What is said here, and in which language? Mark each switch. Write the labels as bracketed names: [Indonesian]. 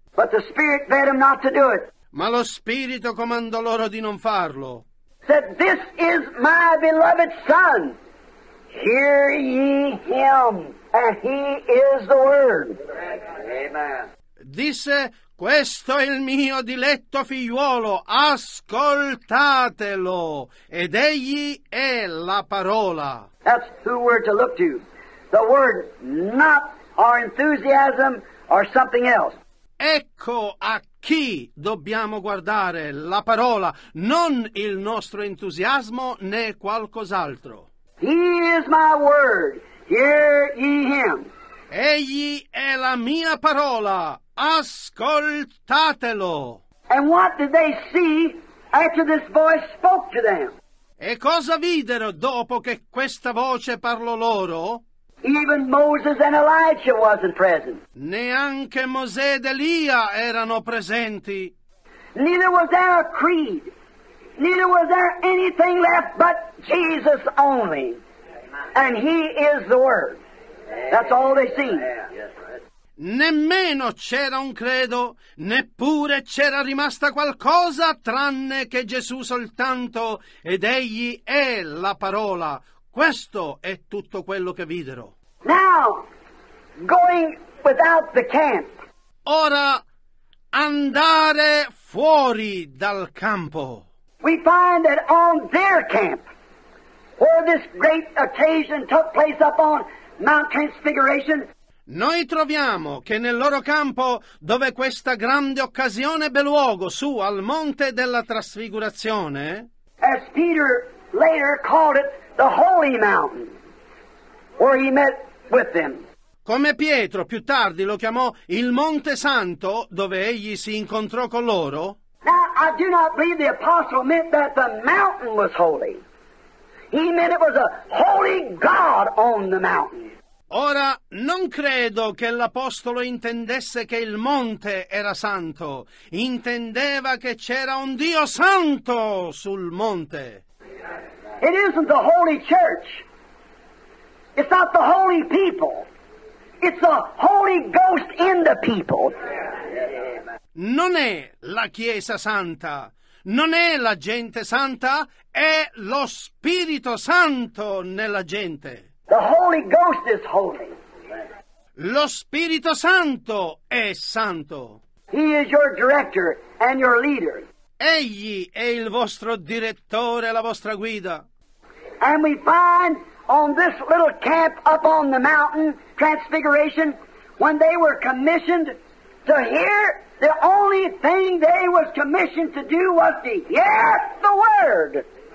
[English] But the Spirit bade him not to do it. [Italian] Ma lo Spirito comandò loro di non farlo. [English] Said, this is my beloved son, hear ye him, and he is the word. Amen. [Italian] Disse, questo è il mio diletto figliuolo, ascoltatelo, ed egli è la parola. [English] That's who we're to look to, the word, not our enthusiasm or something else. [Italian] Ecco a chi dobbiamo guardare, la parola, non il nostro entusiasmo né qualcos'altro. [English] He is my word, hear ye him. [Italian] Egli è la mia parola. Ascoltatelo. [English] And what did they see after this voice spoke to them? [Italian] E cosa videro dopo che questa voce parlò loro? [English] Even Moses and Elijah wasn't present. [Italian] Neanche Mosè ed Elia erano presenti. [English] Neither was there a creed. Neither was there anything left but Jesus only. And he is the word. That's all they see. [Italian] Nemmeno c'era un credo, neppure c'era rimasta qualcosa tranne che Gesù soltanto, ed egli è la parola. Questo è tutto quello che videro. [English] Now, going without the camp. [Italian] Ora, andare fuori dal campo. [English] We find that on their camp, where this great occasion took place up on Mount Transfiguration, [Italian] noi troviamo che nel loro campo, dove questa grande occasione ebbe luogo, su al monte della trasfigurazione, [English] as Peter later called it, the Holy Mountain, where he met with them. [Italian] Come Pietro più tardi lo chiamò il Monte Santo, dove egli si incontrò con loro? [English] Now, I do not believe the apostle meant that the mountain was holy. He meant it was a holy God on the mountain. [Italian] Ora, non credo che l'apostolo intendesse che il monte era santo. Intendeva che c'era un Dio santo sul monte. [English] It isn't the holy church. It's not the holy people. It's the Holy Ghost in the people. [Italian] Non è la Chiesa santa, non è la gente santa, è lo Spirito Santo nella gente. [English] The Holy Ghost is holy. [Italian] Lo Spirito Santo è santo. [English] He is your director and your leader. [Italian] Egli è il vostro direttore, la vostra guida. [English] And we find on this little camp up on the mountain, Transfiguration, when they were commissioned to hear, the only thing they was commissioned to do was to hear the word.